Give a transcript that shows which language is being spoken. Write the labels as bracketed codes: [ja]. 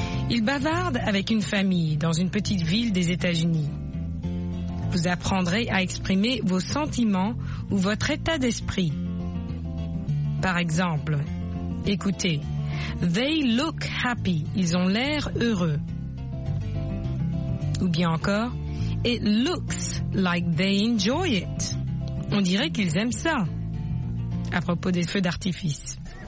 [fr] Il bavarde avec une famille dans une petite ville des États-Unis. Vous apprendrez à exprimer vos sentiments ou votre état d'esprit. Par exemple, écoutez, [en] they look happy, [fr] ils ont l'air heureux. Ou bien encore, [en] it looks like they enjoy it. [fr] On dirait qu'ils aiment ça, à propos des feux d'artifice.